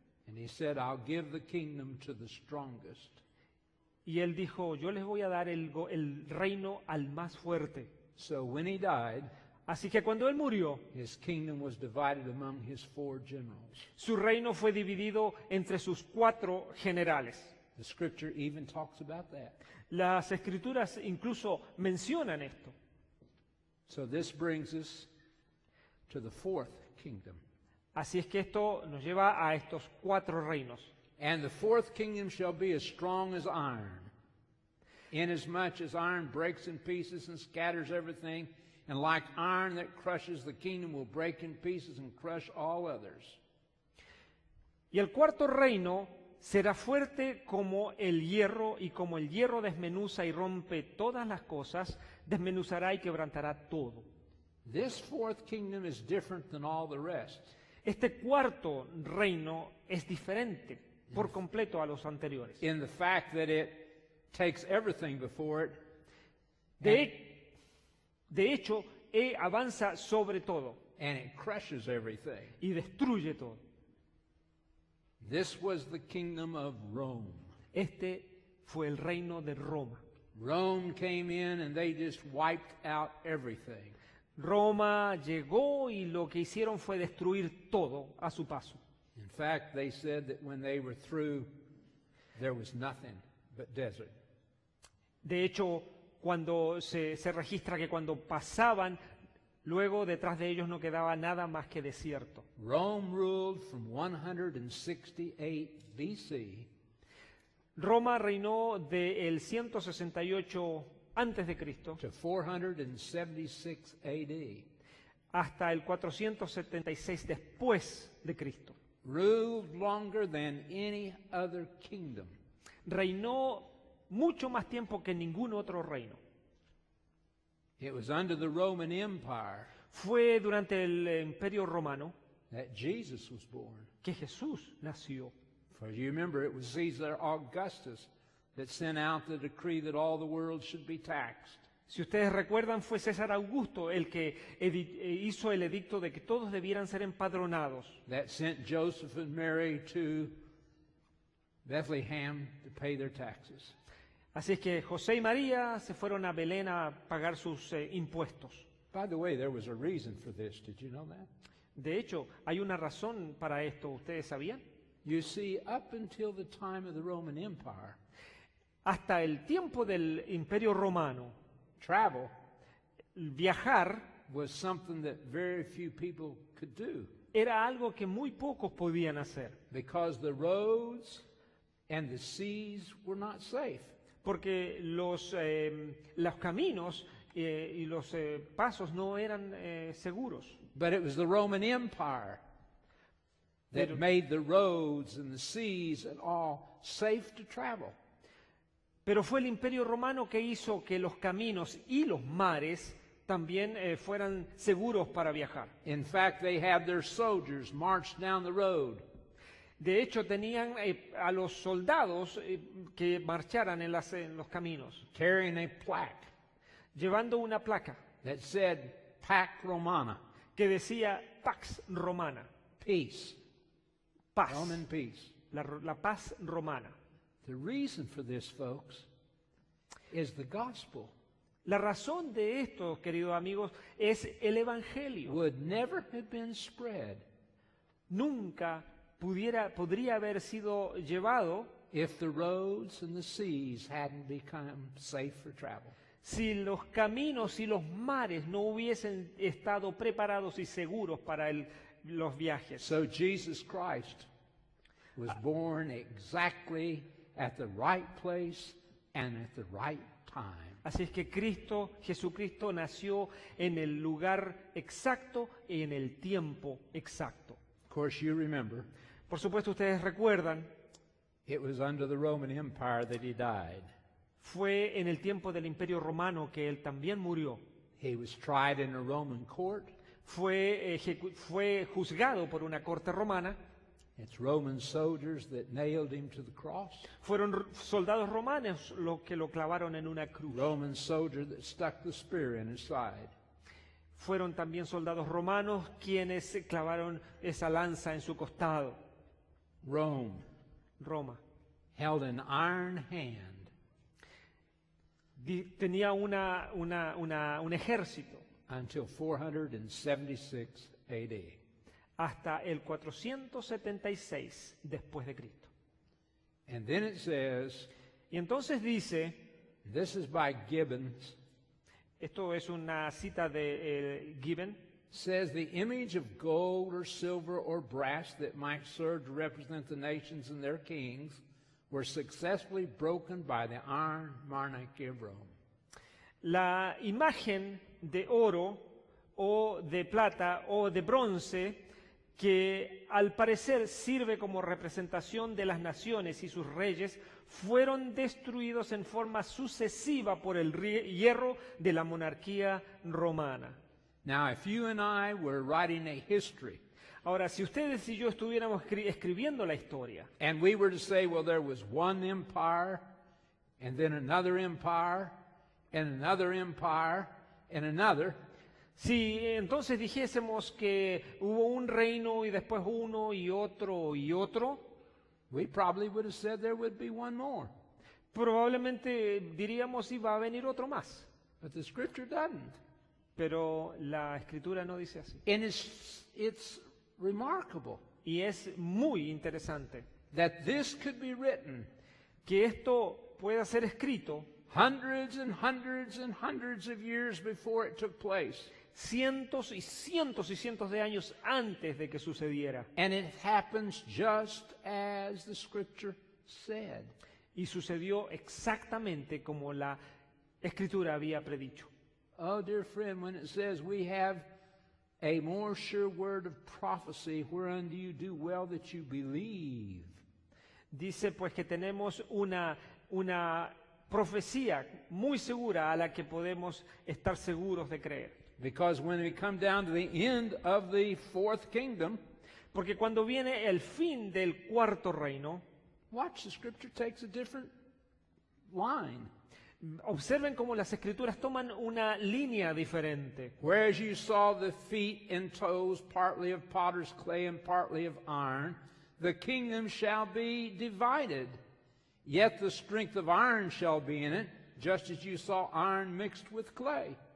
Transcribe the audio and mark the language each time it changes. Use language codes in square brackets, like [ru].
[en] And he said, I'll give the kingdom to the strongest. [es] Y él dijo, yo les voy a dar el reino al más fuerte. [en] So when he died, [es] así que cuando él murió, [en] his kingdom was divided among his four generals. [es] Su reino fue dividido entre sus cuatro generales. [en] The scripture even talks about that. [es] Las escrituras incluso mencionan esto. [en] So this brings us to the fourth kingdom. [es] Así es que esto nos lleva a estos cuatro reinos. [en] And the fourth kingdom shall be as strong as iron, inasmuch as iron breaks in pieces and scatters everything, and like iron that crushes, the kingdom will break in pieces and crush all others. [es] Y el cuarto reino será fuerte como el hierro, y como el hierro desmenuza y rompe todas las cosas, desmenuzará y quebrantará todo. [en] This fourth kingdom is different than all the rest. [es] Este cuarto reino es diferente por completo a los anteriores. [en] In the fact that it takes everything before it. [es] De hecho, E avanza sobre todo. [en] And it crushes everything. [es] Y destruye todo. [en] This was the kingdom of Rome. [es] Este fue el reino de Roma. [en] Rome came in and they just wiped out everything. [es] Roma llegó y lo que hicieron fue destruir todo a su paso. [en] In fact, they said that when they were through, there was nothing but desert. [es] De hecho, cuando se registra que cuando pasaban, luego detrás de ellos no quedaba nada más que desierto. [en] Rome ruled from 168 BC. [es] Roma reinó de el 168 antes de Cristo [en] to 476 AD. [es] Hasta el 476 después de Cristo. [en] Ruled longer than any other kingdom. [es] Reinó mucho más tiempo que ningún otro reino. [en] It was under the Roman Empire. [es] Fue durante el Imperio Romano [en] that Jesus was born. [es] Que Jesús nació. [en] For you remember, it was Caesar Augustus that sent out the decree that all the world should be taxed. [es] Si ustedes recuerdan, fue César Augusto el que hizo el edicto de que todos debieran ser empadronados. [en] That sent Joseph and Mary to Bethlehem to pay their taxes. [es] Así es que José y María se fueron a Belén a pagar sus impuestos. [en] By the way, there was a reason for this. Did you know that? [es] De hecho, hay una razón para esto. ¿Ustedes sabían? [en] You see, up until the time of the Roman Empire, [es] hasta el tiempo del Imperio Romano, [en] travel, [es] viajar, [en] was something that very few people could do. [es] Era algo que muy pocos podían hacer. [en] Because the roads and the seas were not safe. [es] Porque los caminos y los pasos no eran seguros. [en] But it was the Roman Empire that made the roads and the seas and all safe to travel. [es] Pero fue el Imperio Romano que hizo que los caminos y los mares también fueran seguros para viajar. [en] In fact, they had their soldiers march down the road. [es] De hecho, tenían a los soldados que marcharan en los caminos. [en] Carrying a plaque. [es] Llevando una placa. [en] That said, Pax Romana. [es] Que decía Pax Romana. [en] Peace. [es] Paz. [en] Roman peace. [es] La paz romana. [en] The reason for this, folks, is the gospel. [es] La razón de esto, queridos amigos, es el evangelio. [en] Would never have been spread. [es] Nunca podría haber sido llevado [en] if the roads and the seas hadn't become safe for travel. [es] Si los caminos y los mares no hubiesen estado preparados y seguros para los viajes. [en] So Jesus Christ was born exactly at the right place and at the right time. [es] Así es que Jesucristo nació en el lugar exacto y en el tiempo exacto. [en] Of course you remember. [es] Por supuesto ustedes recuerdan. [en] It was under the Roman Empire that he died. [es] Fue en el tiempo del Imperio Romano que él también murió. [en] He was tried in a Roman court. [es] Fue juzgado por una corte romana. [en] It's Roman soldiers that nailed him to the cross. [es] Fueron soldados romanos los que lo clavaron en una cruz. [en] Roman soldier that stuck the spear in his side. [es] Fueron también soldados romanos quienes clavaron esa lanza en su costado. [en] Rome. [es] Roma. [en] Held an iron hand. [es] Tenía un ejército. [en] Until 476 AD. [es] Hasta el 476 después de Cristo. [en] And then it says, [es] y entonces dice, [en] this is by Gibbons, [es] esto es una cita de Gibbon, [en] says the image of gold or silver or brass that might serve to represent the nations and their kings were successfully broken by the iron monarchy of Rome. [es] La imagen de oro o de plata o de bronce que al parecer sirve como representación de las naciones y sus reyes, fueron destruidos en forma sucesiva por el hierro de la monarquía romana. [en] Now, if you and I were writing a history, [es] ahora, si ustedes y yo estuviéramos escribiendo la historia, [en] and we were to say, well, there was one empire, and then another empire, and another empire, and another. [es] Si entonces dijésemos que hubo un reino y después uno y otro, [en] we probably would have said there would be one more. [es] Probablemente diríamos iba a venir otro más. [en] But the scripture doesn't. [es] Pero la escritura no dice así. [en] And it's remarkable. [es] Y es muy interesante [en] that this could be written, [es] que esto pueda ser escrito [en] hundreds and hundreds and hundreds of years before it took place. [es] Cientos y cientos y cientos de años antes de que sucediera. [en] And it happens just as the scripture said. [es] Y sucedió exactamente como la escritura había predicho. [en] Oh, dear friend, when it says we have a more sure word of prophecy, whereunto you do well that you believe. [es] Dice pues que tenemos una profecía muy segura a la que podemos estar seguros de creer. [en] Because when we come down to the end of the fourth kingdom, [es] porque cuando viene el fin del cuarto reino, [en] watch, the scripture takes a different line. [es] Observen cómo las escrituras toman una línea diferente. [en] Whereas you saw the feet and toes partly of potter's clay and partly of iron, the kingdom shall be divided. Yet the strength of iron shall be in it, just as you saw iron mixed with clay.